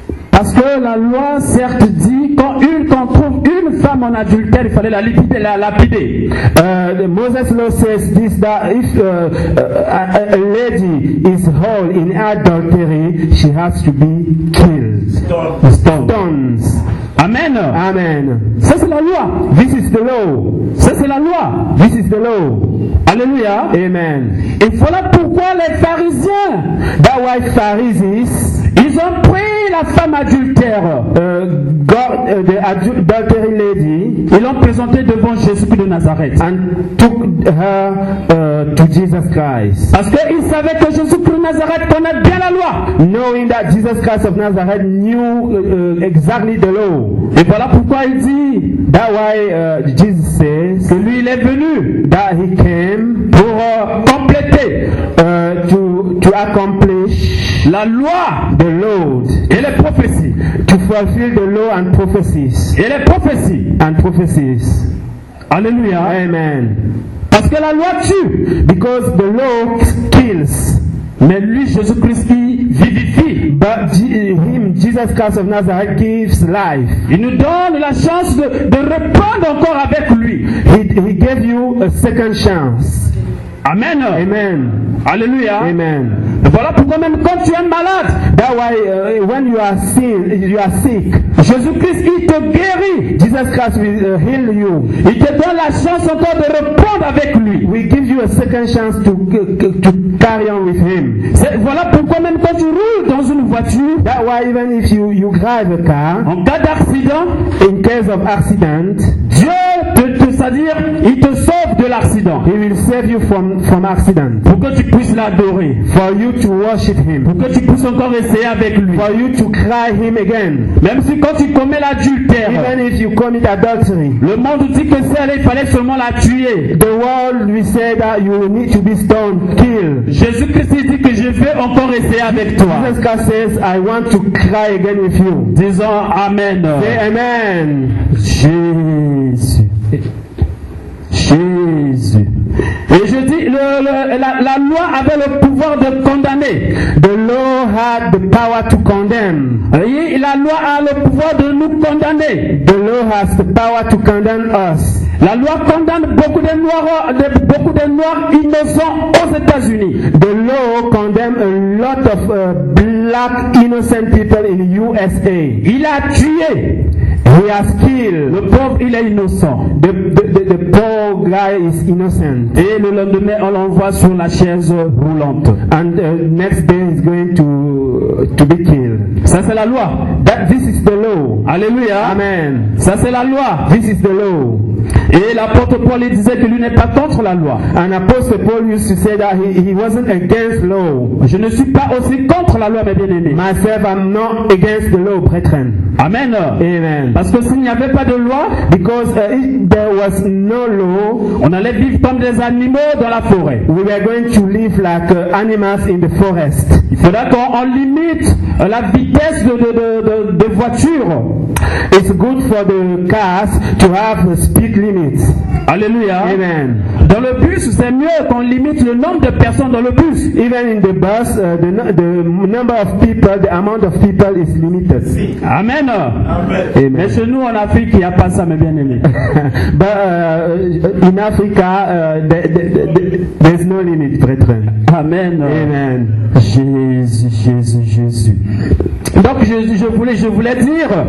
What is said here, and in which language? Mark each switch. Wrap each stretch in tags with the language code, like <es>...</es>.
<fr>Parce que la loi certes dit quand trouve une femme en adultère, il fallait la lapider.</fr> <en>The Moses law says this, that if a lady is whole in adultery, she has to be killed. Stones. Amen. Amen.</en> <fr>Ça c'est la loi.</fr> <en>This is the law.</en> <fr>Ça c'est la loi.</fr> <en>This is the law. Alléluia. Amen.</en> <fr>Et voilà pourquoi les pharisiens,</fr> <en>that why Pharisees,</en> <fr>ils ont pris la femme adultère,</fr> <en>the adultery lady,</en> <fr>ils l'ont présentée devant Jésus-Christ de Nazareth,</fr> <en>and took her to Jesus Christ.</en> <fr>Parce qu'ils savaient que Jésus-Christ de Nazareth connaît bien la loi.</fr> <en>Knowing that Jesus Christ of Nazareth knew exactly the law.</en> <fr>Et voilà pourquoi il dit,</fr> <en>that why Jesus says,</en> <fr>que lui il est venu,</fr> <en>that he came,</en> <fr>pour compléter,</fr> <en>to accomplish</en> <fr>la loi,</fr> <en>the law,</en> <fr>et les prophéties,</fr> <en>to fulfill the law and prophecies,</en> <fr>et les prophéties,</fr> <en>and prophecies. Alléluia. Amen.</en> <fr>Parce que la loi tue,</fr> <en>because the law kills,</en> <fr>mais lui Jésus-Christ qui vivifie,</fr> <en>but him Jesus Christ of Nazareth gives life.</en> <fr>Il nous donne la chance de reprendre encore avec lui.</fr> <en>He gave you a second chance. Amen. Amen. Alléluia. Amen.</en> <fr>Voilà pourquoi même quand tu es malade,</fr> <en>that why when you are sick,</en> <fr>Jésus-Christ il te guérit.</fr> <en>Jesus Christ will heal you.</en> <fr>Il te donne la chance encore de reprendre avec lui.</fr> <en>We give you a second chance to carry on with him.</en> <fr>Voilà pourquoi même quand tu roules dans une voiture,</fr> <en>that why even if you drive a car,</en> <fr>en cas d'accident,</fr> <en>in case of accident,</en> <fr>Dieu te c'est-à-dire il te sauve de l'accident.</fr> <en>He will save you from accident.</en> <fr>Pour que tu puisses l'adorer.</fr> <en>For you to worship him.</en> <fr>Pour que tu puisses encore essayer avec lui.</fr> <en>For you to cry him again.</en> <fr>Même si quand tu commets l'adultère,</fr> <en>even if you commit adultery,</en> <fr>le monde dit que c'est il fallait seulement la tuer.</fr> <en>The world will say that you need to be stoned, killed.</en> <fr>Jésus-Christ dit que je vais encore essayer avec toi.</fr> <en>Jesus Christ says I want to cry again with you.</en> <fr>Disons amen.</fr> <en>Say amen. Jésus. Jésus.</en> <fr>Et je dis la loi avait le pouvoir de condamner.</fr> <en>The law had the power to condemn.</en> <fr>Et la loi a le pouvoir de nous condamner.</fr> <en>The law has the power to condemn us.</en> <fr>La loi condamne beaucoup de noirs innocents aux États-Unis.</fr> <en>The law condemns a lot of black innocent people in USA.</en> <fr>Il a tué.</fr> <en>He has killed.</en> <fr>Le pauvre, il est innocent.</fr> <en>The poor guy is innocent.</en> <fr>Et le lendemain, on l'envoie sur la chaise roulante.</fr> <en>And the next day, he's going to be killed.</en> <fr>Ça, c'est la loi.</fr> <en>This is the law. Alléluia. Amen.</en> <fr>Ça, c'est la loi.</fr> <en>This is the law.</en> <fr>Et l'apôtre Paul disait que lui n'est pas contre la loi.</fr> <en>And Apostle Paul used to say that he wasn't against law.</en> <fr>Je ne suis pas aussi contre la loi, mes bien-aimés.</fr> <en>Myself, I'm not against the law, brethren. Amen. Amen.</en> <fr>Parce que s'il n'y avait pas de loi,</fr> <en>because if there was no law,</en> <fr>on allait vivre comme des animaux dans la forêt.</fr> <en>We were going to live like animals in the forest.</en> <fr>Il faudrait qu'on limite la vitesse de voiture.</fr> <en>It's good for the cars to have the speed limits. Alléluia. Amen.</en> <fr>Dans le bus, c'est mieux qu'on limite le nombre de personnes dans le bus.</fr> <en>Even in the bus, the number of people, the amount of people is limited.</en> <fr>Si. Amen. Amen. Amen. Mais chez nous en Afrique, il n'y a pas ça, mes bien-aimés.</fr> <en>But in Africa, there's no limit, brethren. Amen. Amen.</en> <fr>Jésus, Jésus, Jésus. Donc je voulais dire,</fr>